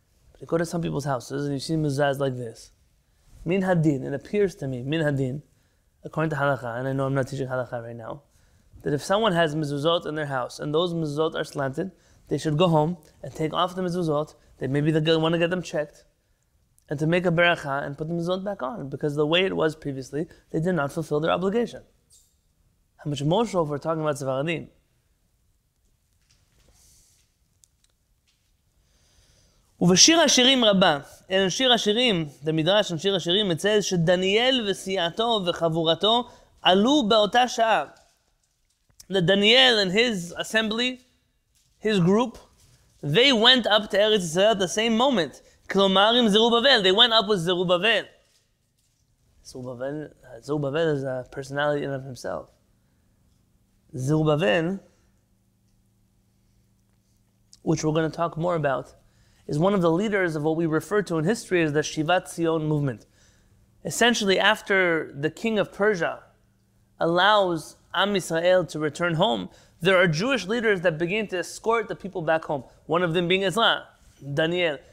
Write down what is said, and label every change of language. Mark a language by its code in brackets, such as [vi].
[en] But you go to some people's houses and you see mezuzahs like this. Min hadin, it appears to me, min hadin, according to halakha, and I know I'm not teaching halakha right now, that if someone has mezuzot in their house and those mezuzot are slanted, they should go home and take off the mezuzot. They maybe want to get them checked and to make a beracha and put the mezuzot back on because the way it was previously, they did not fulfill their obligation. How much more so if we're talking about Sefaradim? [he] ובשיר השירים רבה, אין שיר השירים, במדרש על שיר השירים, מצל שדניאל וסיעתו וחבורתו עלו באותה שעה. [en] That Daniel and his assembly, his group, they went up to Eretz Yisrael at the same moment. [he] כלומר, עם זרובבל, [en] they went up with זרובבל. זרובבל is a personality in and of himself. זרובבל, which we're going to talk more about, is one of the leaders of what we refer to in history as the Shivat Zion movement. Essentially, after the king of Persia allows Am Yisrael to return home, there are Jewish leaders that begin to escort the people back home, one of them being Ezra, Daniel.